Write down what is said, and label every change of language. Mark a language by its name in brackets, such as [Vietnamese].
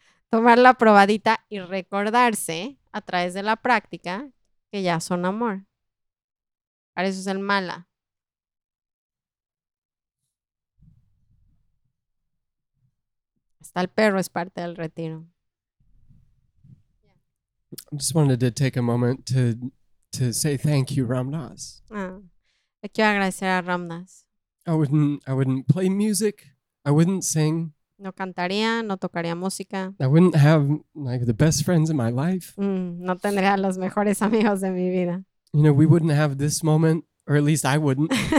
[Spanish] Tomar la probadita y recordarse a través de la práctica que ya son amor. Para eso es el mala. Hasta el perro es parte del retiro. [English] I just wanted to take a moment to say thank you, Ramdas. [Spanish] Ah, quiero agradecer a Ramdas. [English] I wouldn't play music. I wouldn't sing. [Spanish] No cantaría, no tocaría música. [English] I wouldn't have like the best friends in my life. [Spanish] No tendría los mejores amigos de mi vida. [English] You know, we wouldn't have this moment, or at least I wouldn't.